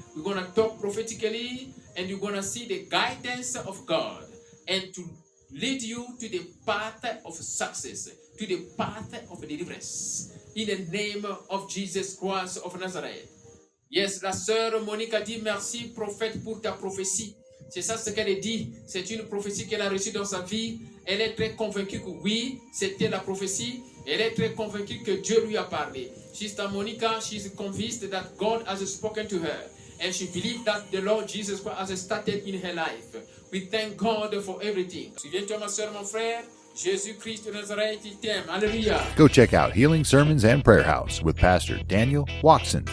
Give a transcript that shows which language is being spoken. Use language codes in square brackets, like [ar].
[en] We're going to talk prophetically, and you're going to see the guidance of God and to lead you to the path of success, to the path of deliverance, in the name of Jesus Christ of Nazareth. Yes, [fr] la sœur Monica dit merci, prophète, pour ta prophétie. C'est ça ce qu'elle dit. C'est une prophétie qu'elle a reçue dans sa vie. Elle est très convaincue que oui, c'était la prophétie. Elle est très convaincue que Dieu lui a parlé. [en] Sister Monica, she's convinced that God has spoken to her. And she believes that the Lord Jesus Christ has started in her life. We thank God for everything. [fr] Souviens-toi, ma soeur, mon frère. Jésus-Christ de Nazareth, il t'aime. Alléluia. [en] Go check out Healing Sermons and Prayer House with Pastor Daniel Watson.